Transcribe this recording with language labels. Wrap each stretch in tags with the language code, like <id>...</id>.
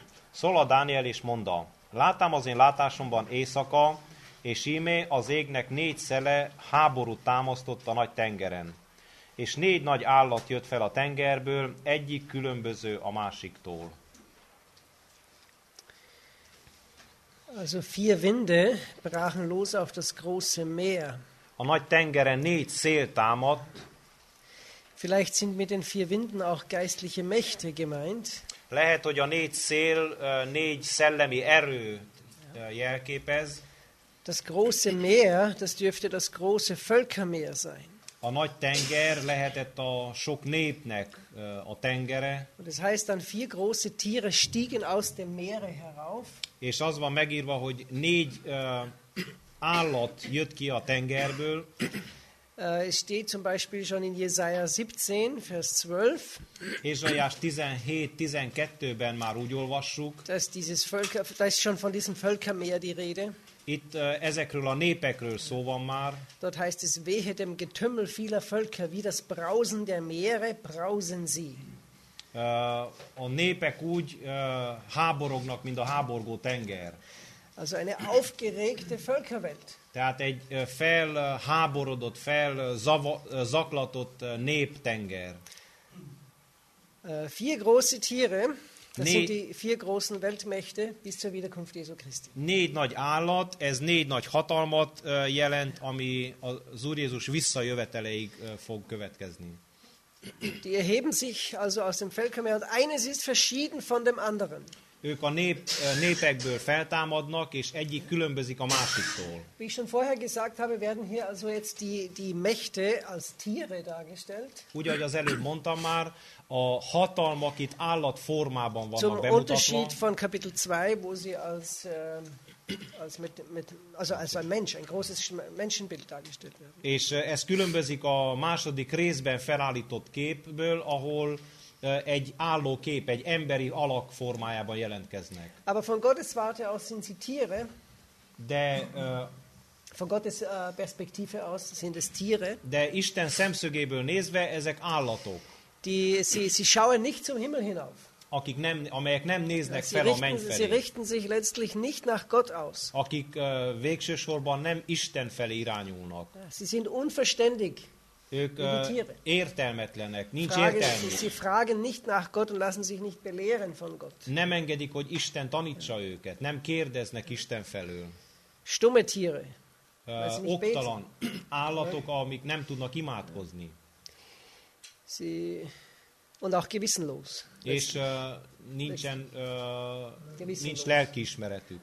<hu>Szól a Dániel és mondta: láttam az én látásomban éjszaka, és íme az égnek négy szele háborút támasztott a nagy tengeren. És négy nagy állat jött fel a tengerből, egyik különböző a másiktól.</hu> <de>Also vier Winde brachen los auf das große Meer.</de> <hu>A nagy tengeren négy szél támadt.</hu> <de>Vielleicht sind mit den vier Winden auch geistliche Mächte gemeint.</de> <hu>Lehet, hogy a négy szél négy szellemi erőt jelképez.</hu> <de>Das große Meer, das dürfte das große Völkermeer sein.</de> <hu>A nagy tenger lehetett a sok népnek a tengere.</hu> <de>Und das heißt, dann vier große Tiere stiegen aus dem Meere herauf.</de> <hu>És az van megírva, hogy négy állat jött ki a tengerből.</hu> <de>Es steht zum Beispiel schon in Jesaja 17, Vers 12.</de> <hu>Jesajas 17:12-ben már úgy olvassuk.</hu> <de>Dass dieses Völker, da ist schon von diesem Völkermeer die Rede.</de> <hu>Itt ezekről a népekről szó van már.</hu> <de>Dort heißt es: wehe dem Getümmel vieler Völker, wie das Brausen der Meere brausen sie.</de> <hu>A népek úgy háborognak, mint a háborgó tenger.</hu> <de>Also eine aufgeregte Völkerwelt.</de> <hu>Tehát egy felháborodott, felzaklatott néptenger.</hu> <de>Vier große Tiere, das sind die vier großen Weltmächte bis zur Wiederkunft Jesu Christi.</de> <hu>Négy nagy állat, ez négy nagy hatalmat jelent, ami az Úr Jézus visszajöveteleig fog következni.</hu> <de>Die erheben sich also aus dem Völkermeer und eines ist verschieden von dem anderen.</de> <hu>Ők a népekből feltámadnak, és egyik különbözik a másiktól.</hu> <de>Wie ich schon vorher gesagt habe, werden hier also jetzt die Mächte als Tiere dargestellt.</de> <hu>Úgy, ahogy az előbb mondtam már, a hatalmak itt állatformában vannak bemutatva.</hu> <de>Zum Unterschied von Kapitel 2, wo sie als ein Mensch, ein großes Menschenbild dargestellt werden.</de> <hu>És ez különbözik a második részben felállított képből, ahol egy álló kép, egy emberi alak formájában jelentkeznek.</hu> <de>Aber von Gottes Warte aus sind sie Tiere.</de> <hu>De</hu> <de>von Gottes Perspektive aus sind es Tiere.</de> <hu>De Isten szemszögéből nézve ezek állatok.</hu> <de>Die sie schauen nicht zum Himmel hinauf.</de> <hu>Akik nem, amelyek nem néznek fel a menny felé.</hu> <de>Sie richten sich letztlich nicht nach Gott aus.</de> <hu>Akik végső sorban nem Isten felé irányulnak.</hu> <de>Sie sind unverständig.</de> <hu>Ők értelmetlenek, nincs értelmük.</hu> <de>Sie fragen nicht nach Gott und lassen sich nicht belehren von Gott.</de> <hu>Nem engedik, hogy Isten tanítsa őket, nem kérdeznek Isten felől.</hu> <de>Stumme Tiere.</de> <hu>Oktalan állatok, amik nem tudnak imádkozni.</hu> <de>Und auch gewissenlos.</de> <hu>És nincsen nincs lelkiismeretük.</hu>